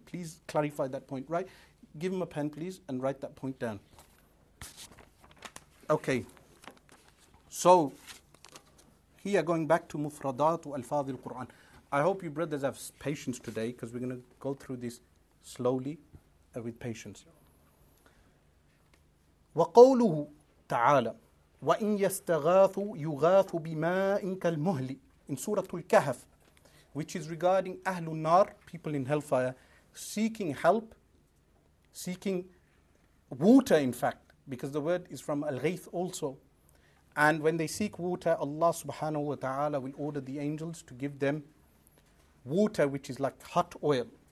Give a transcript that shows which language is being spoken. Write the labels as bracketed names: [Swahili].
[English] Please clarify that point, right? Give him a pen, please, and write that point down. Okay. So, here going back to [Arabic] mufradat wa al-fadhil Qur'an. [English] I hope you brothers have patience today, because we're going to go through this slowly. With patience. [Arabic] وقوله تعالى وإن يستغاثوا يغاثوا بماء كالمهل. [English] In Surah Al-Kahf, which is regarding Ahlul Nar, people in hellfire, seeking help, seeking water in fact, because the word is from Al-Ghayth also. And when they seek water, Allah subhanahu wa ta'ala will order the angels to give them water which is like hot oil.